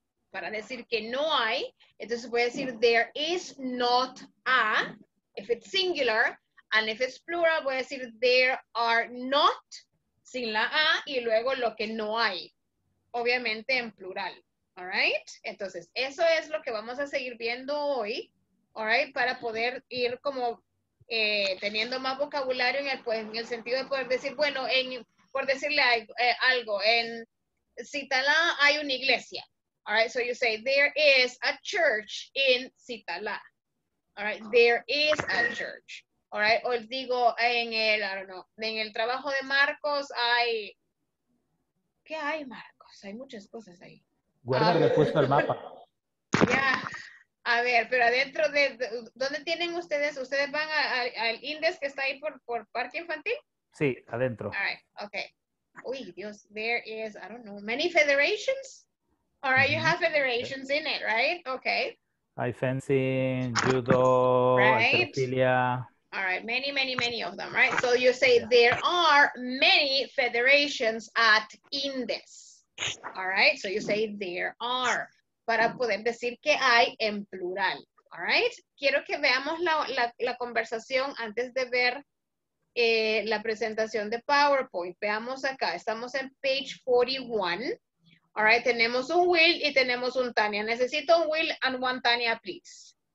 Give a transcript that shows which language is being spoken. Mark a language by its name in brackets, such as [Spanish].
[Spanish] Para decir que no hay, entonces voy a decir [English] there is not a, if it's singular, and if it's plural [Spanish] voy a decir [English] there are not, [Spanish] sin la a, y luego lo que no hay, obviamente en plural. [English] All right? [Spanish] Entonces, eso es lo que vamos a seguir viendo hoy, [English] all right, [Spanish] para poder ir como... teniendo más vocabulario en el sentido de poder decir, bueno, por decirle algo, en Citalá hay una iglesia. [English] All right, so you say, there is a church in Citalá. All right, there is a church. All right, [Spanish] o digo, en el trabajo de Marcos hay, ¿qué hay, Marcos? Hay muchas cosas ahí. Guardarle puesto el mapa. [English] Yeah. [Spanish] A ver, pero adentro de... ¿Dónde tienen ustedes? ¿Ustedes van al Indes que está ahí por Parque Infantil? Sí, adentro. [English] All right, okay. [Spanish] Uy, Dios, [English] there is, I don't know, many federations? All right, you have federations in it, right? Okay. [Spanish] Hay fencing, judo, halterofilia. [English] Right? All right, many, many, many of them, right? So you say, yeah, there are many federations at Indes. All right, so you say, there are... [Spanish] para poder decir que hay en plural, [English] all right? [Spanish] Quiero que veamos la conversación antes de ver la presentación de PowerPoint. Veamos acá, estamos en [English] page 41, all right? [Spanish] Tenemos un Will y tenemos un Tania. Necesito un Will [English] and one Tania, please.